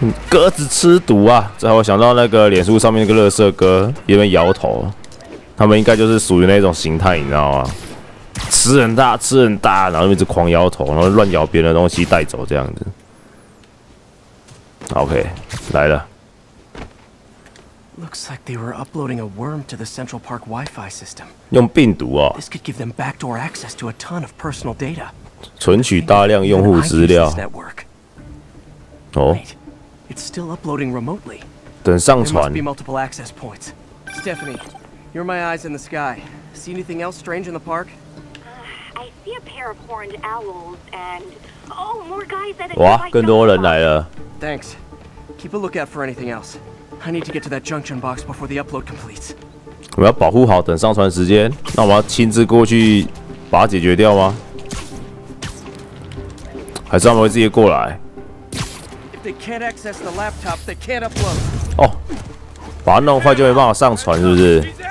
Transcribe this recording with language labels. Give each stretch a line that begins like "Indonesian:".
Chinese: 鸽子吃毒啊！这让我想到那个脸书上面那个垃圾哥，一边摇头。他们应该就是属于那种形态，你知道吗？吃很大，吃很大，然后一直狂摇头，然后乱咬别人的东西带走这样子。 OK， 来了。
English: Looks like they were uploading a worm to the Central Park Wi-Fi system.
Chinese: 用病毒哦。
English: This could give them backdoor access to a ton of personal data.
Chinese: 存取大量用户资料。哦。
English: It's still uploading remotely.
Chinese: 等上传。
English: There must be multiple access points. Stephanie, you're my eyes in the sky. See anything else strange in the park? I see a pair of horned owls and oh, more guys at a.
Chinese: 哇，更多人来了。
English: Thanks. Keep a lookout for anything else. I need to get to that junction box before the upload completes.
Chinese: 我要保护好等上传时间。那我要亲自过去把它解决掉吗？还是他们会自己过来
English: ？If they can't access the laptop, they can't upload.
Chinese: 哦，把它弄坏就没办法上传，是不是？